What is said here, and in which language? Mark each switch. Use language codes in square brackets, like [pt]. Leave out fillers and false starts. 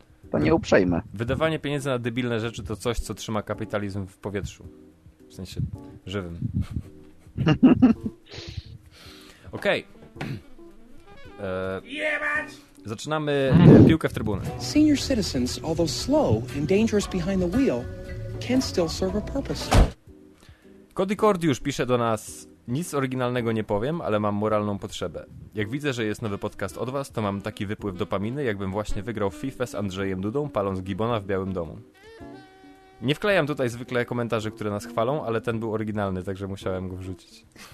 [pl] To nie uprzejme. Wydawanie pieniędzy na debilne rzeczy to coś, co trzyma kapitalizm w powietrzu. W sensie żywym. Okej. Zaczynamy piłkę w trybunę. [en] Senior citizens, although slow and dangerous behind the wheel, can still serve a purpose. [pl] Cody Cordiusz pisze do nas: nic oryginalnego nie powiem, ale mam moralną potrzebę. Jak widzę, że jest nowy podcast od was, to mam taki wypływ dopaminy, jakbym właśnie wygrał FIFA z Andrzejem Dudą, paląc gibona w Białym Domu. Nie wklejam tutaj zwykle komentarzy, które nas chwalą, ale ten był oryginalny, także musiałem go wrzucić.